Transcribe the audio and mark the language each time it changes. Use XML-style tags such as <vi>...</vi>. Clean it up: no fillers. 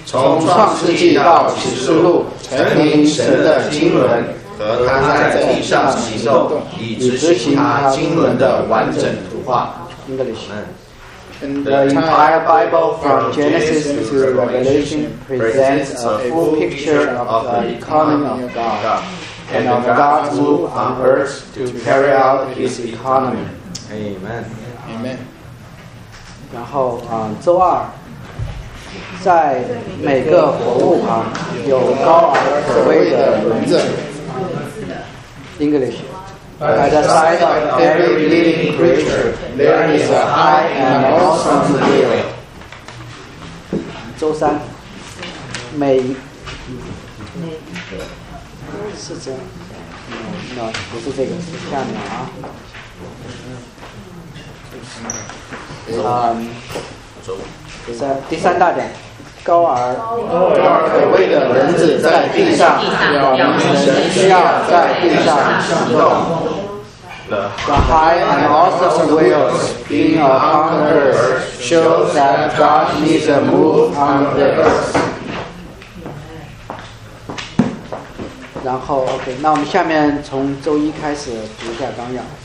<zh>从创世纪到启示录陈明神的经纶和他在地上行动以执行他经纶的完整图画</zh> <en>English The entire Bible from Genesis to Revelation presents a full picture of the economy of God and of God's move on earth to carry out his economy Amen, Amen.</en> <zh>然后周二在每个活物旁有高而可畏的轮子</zh> <en>English By the side of every living creature there is a high and awesome wheel</en> <zh>周三每是这样</zh> <en>No,</en> <zh>不是这个，是下面啊。第三大点，高而可畏的人子在地上，表明神需要在地上行动。</zh> <en>The high and awesome wheels being a conqueror shows that God needs a move on the earth.</en> <zh>然后 OK， 那我们下面从周一开始读一下纲要。</zh>